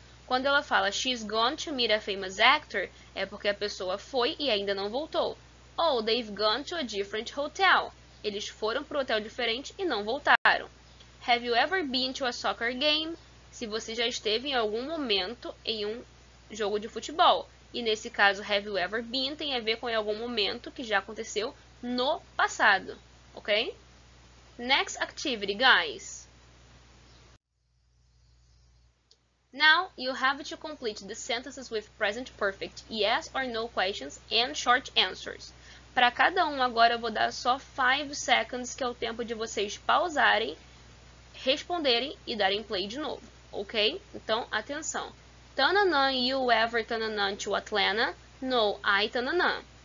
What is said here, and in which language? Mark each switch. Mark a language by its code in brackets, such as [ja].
[pt] Quando ela fala, [en] she's gone to meet a famous actor, [pt] é porque a pessoa foi e ainda não voltou. [en] Oh, they've gone to a different hotel. [pt] Eles foram para um hotel diferente e não voltaram. [en] Have you ever been to a soccer game? [pt] Se você já esteve em algum momento em um jogo de futebol. E nesse caso, [en] have you ever been [pt] tem a ver com em algum momento que já aconteceu no passado, ok? [en] Next activity, guys. Now, you have to complete the sentences with present perfect yes or no questions and short answers. [pt] Para cada um, agora eu vou dar só [en] 5 seconds, [pt] que é o tempo de vocês pausarem, responderem e darem play de novo, ok? Então, atenção. [en] Tananã, you ever tananã to Atlanta? No, I tananã.